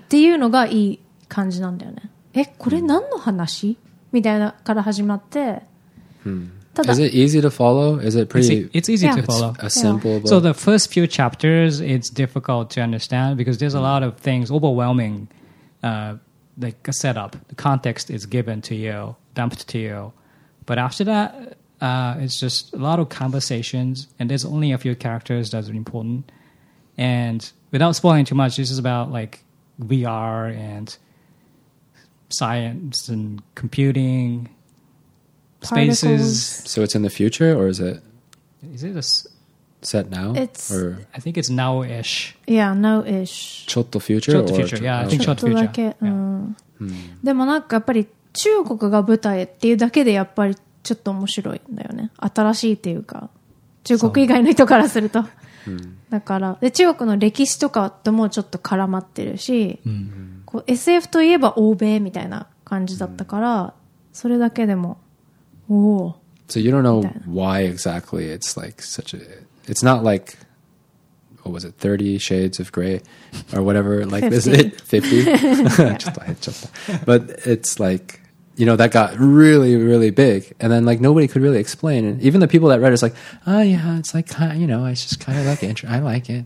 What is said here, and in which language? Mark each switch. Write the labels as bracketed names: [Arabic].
[Japanese] っていうのがいい感じなんだよねえこれ何の話みたいなから始まって [English] ただ Is it easy to follow? Is it pretty It's easy to follow a simple book So the first few chapters it's difficult to understand because there's a lot of things overwhelming like a setup the context is given to you dumped to you but after thatit's just a lot of conversations and there's only a few characters that are important and without spoiling too much this is about like VR and science and computing Particles. spaces so it's in the future or is it is it a set now it's or? I think it's now-ish yeah now-ish [Japanese] ちょっと future [English] yeah I think [Japanese] ちょっと [English] future [Japanese] だけ、yeah. でもなんかやっぱり中国が舞台っていうだけでやっぱりちょっと面白いんだよね新しいっていうか中国以外の人からすると、うん、だからで中国の歴史とかともちょっと絡まってるし、うん、こう SF といえば欧米みたいな感じだったから、うん、それだけでもおお。 [English] So you don't know why exactly it's like such a it's not like what was it 30 shades of gray or whatever like is it 50 [Japanese] ちょっと [English] but it's likeYou know, that got really, really big. And then, like, nobody could really explain. And even the people that read it, it's like, oh, yeah, it's like, kind of, you know, it's just kind of like, I like it.